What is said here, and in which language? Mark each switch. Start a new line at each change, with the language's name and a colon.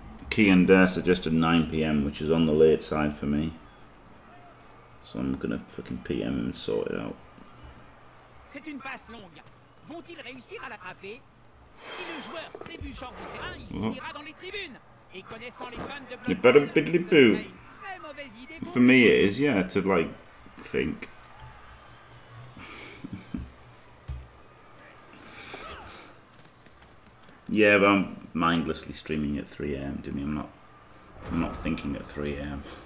English: Key and Dare suggested 9 PM, which is on the late side for me. So I'm gonna fucking PM him and sort it out.
French: C'est une passe longue. Vont-ils réussir à l'attraper? Si le joueur trébuchant du terrain, il finira dans les tribunes. Et connaissant les fans de Blood Bowl, ce serait une très mauvaise idée.
English: For me it is, yeah, to like think. Yeah, but I'm mindlessly streaming at 3 AM, Jimmy. I'm not thinking at 3 AM.